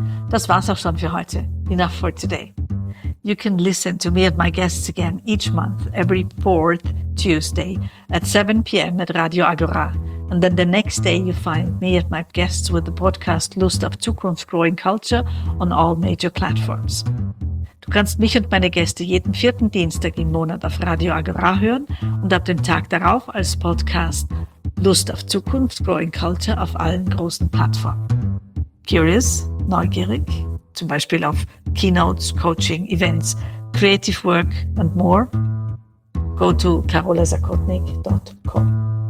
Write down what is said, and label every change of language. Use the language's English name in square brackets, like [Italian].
[German] Das war's auch schon für heute. [English] Enough for today. You can listen to me and my guests again each month, every 4th Tuesday at 7 p.m. at Radio Agora. And then the next day you find me and my guests with the podcast Lust auf Zukunft, Growing Culture on all major platforms. [German] Du kannst mich und meine Gäste jeden 4. Dienstag im Monat auf Radio Agora hören und ab dem Tag darauf als Podcast Lust auf Zukunft, Growing Culture auf allen großen Plattformen. Curious? Neugierig, zum Beispiel auf [English] keynotes, coaching, events, creative work, and more, go to carolazakotnik.com.